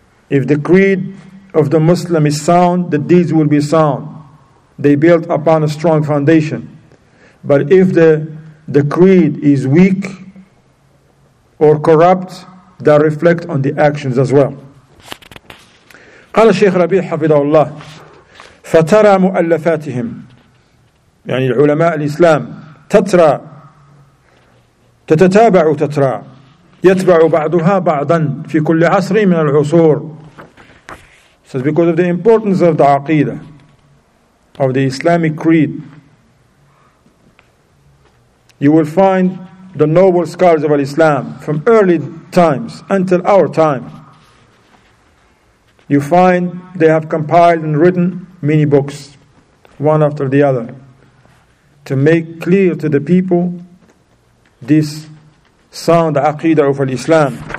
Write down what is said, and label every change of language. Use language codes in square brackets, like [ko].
[en] If the creed of the Muslim is sound, the deeds will be sound. They built upon a strong foundation. But if the creed is weak or corrupt, that reflect on the actions as well. [ar] قال الشيخ ربيع حفظه الله فترى مؤلفاتهم يعني العلماء الإسلام تترى تتتابع تترى يتبع بعضها بعضا في كل عصر من العصور. [en] So because of the importance of the Aqeedah, of the Islamic creed, you will find the noble scholars of Islam from early times until our time. You find they have compiled and written many books, one after the other, to make clear to the people this sound Aqeedah of Al-Islam.